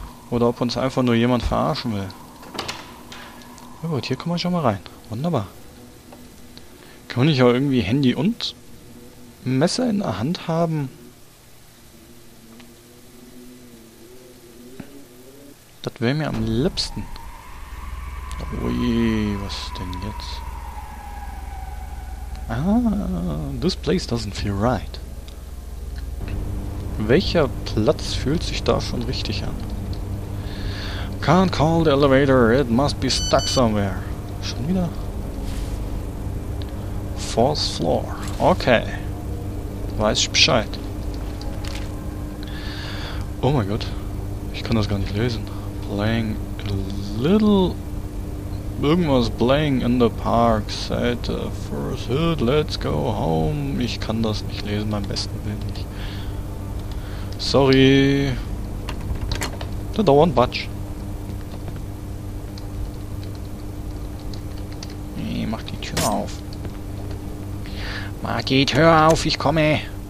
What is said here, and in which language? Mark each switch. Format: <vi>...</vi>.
<de>Oder ob uns einfach nur jemand verarschen will. Na gut, hier kommen wir schon mal rein. Wunderbar. Kann man nicht auch irgendwie Handy und Messer in der Hand haben? Das wäre mir am liebsten. Ui, was denn jetzt?</de> <en>Ah, this place doesn't feel right.</en> <de>Welcher Platz fühlt sich da schon richtig an?</de> <en>Can't call the elevator, it must be stuck somewhere.</en> <de>Schon wieder?</de> <en>Fourth floor.</en> <de>Okay. Weiß ich Bescheid. Oh mein Gott. Ich kann das gar nicht lesen.</de> <en>Playing a little...</en> <de>Irgendwas</de> <en>playing in the park. Said first hit, let's go home.</en> <de>Ich kann das nicht lesen, beim besten Willen nicht. Sorry.</de> <en>The door won't budge.</en> <de>Ich mach die Tür auf. Mach die Tür auf, ich komme.</de>